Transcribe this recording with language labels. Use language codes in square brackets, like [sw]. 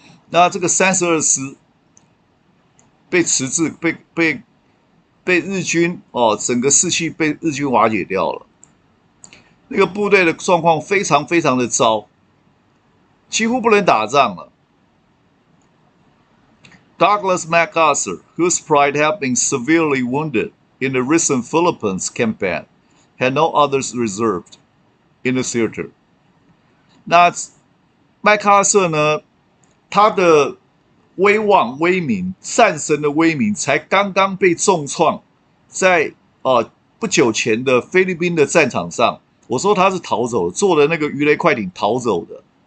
[zh] 那这个32师被迟滞，被日军整个士气被日军瓦解掉了。那个部队的状况非常非常的糟，几乎不能打仗了。 [en] Douglas MacArthur, whose pride had been severely wounded in the recent Philippines campaign, had no others reserved in the theater. [zh] 那麦克阿瑟呢？他的威望、威名、战神的威名才刚刚被重创，在不久前的菲律宾的战场上，我说他是逃走，坐的那个鱼雷快艇逃走的，